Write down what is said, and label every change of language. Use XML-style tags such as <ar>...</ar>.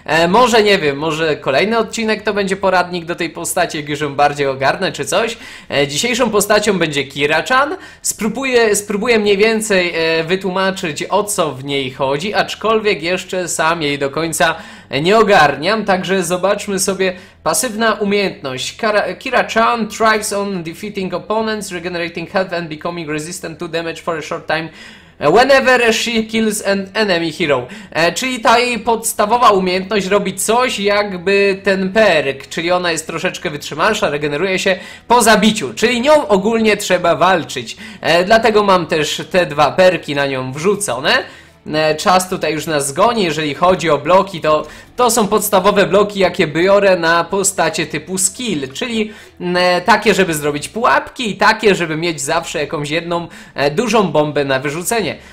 <pl>Może, nie wiem, może kolejny odcinek to będzie poradnik do tej postaci, jak już ją bardziej ogarnę czy coś. Dzisiejszą postacią będzie Kira-chan. Spróbuję mniej więcej wytłumaczyć, o co w niej chodzi, aczkolwiek jeszcze sam jej do końca nie ogarniam, także zobaczmy sobie. Pasywna umiejętność.</pl> <en>Kira-chan thrives on defeating opponents, regenerating health and becoming resistant to damage for a short time whenever she kills an enemy hero.</en> <pl>Czyli ta jej podstawowa umiejętność robi coś jakby ten perk, czyli ona jest troszeczkę wytrzymalsza, regeneruje się po zabiciu, czyli nią ogólnie trzeba walczyć. Dlatego mam też te dwa perki na nią wrzucone. Czas tutaj już nas goni, jeżeli chodzi o bloki, to są podstawowe bloki, jakie biorę na postacie typu skill, czyli takie, żeby zrobić pułapki i takie, żeby mieć zawsze jakąś jedną dużą bombę na wyrzucenie.</pl>